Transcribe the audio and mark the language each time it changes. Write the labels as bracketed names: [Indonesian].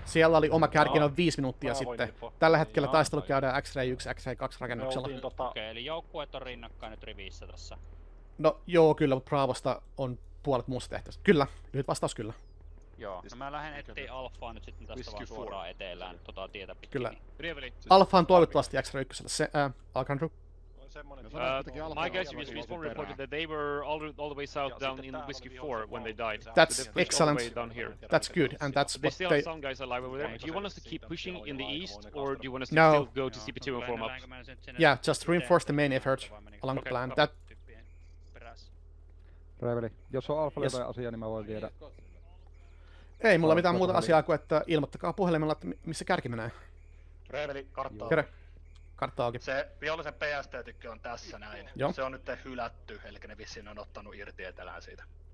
[Finnish] Siellä oli oma kärki noin 5 minuuttia Bravo sitten. Info. Tällä hetkellä taistelu käydään X-ray 1, X-ray 2 rakennuksella. Okei, eli joukkueet on rinnakkain nyt rivissä tässä. No joo, kyllä, mutta Bravosta on puolet muussa tehtävässä. Kyllä, lyhyt vastaus kyllä. Joo, no mä lähden etsiin Alfaa nyt sitten tästä vaan suoraan etelään tota tietä pitkin. Kyllä. Alfa on toivottavasti X-ray 1. Alcantru. [English] My guys in Whiskey 4 reported that they were all the way south down in Whiskey 4 when they died. That's excellent. That's good, and that's what they... There's still some guys alive over there. Do you want us to keep pushing in the east, or do you want us to still go to CP2 and form up? Yeah, just reinforce the main effort along the plan. That... [Finnish] Reveli, jos on Alfa jotain asiaa, niin mä voin viedä. Ei mulla mitään muuta asiaa kuin, että ilmoittakaa puhelimella, että missä kärki menee. Reveli, kartta. Kartta auki. Se vihollisen PST-tykkö on tässä näin. Joo. Se on nyt hylätty, eli ne vissiin on ottanut irti etelään siitä.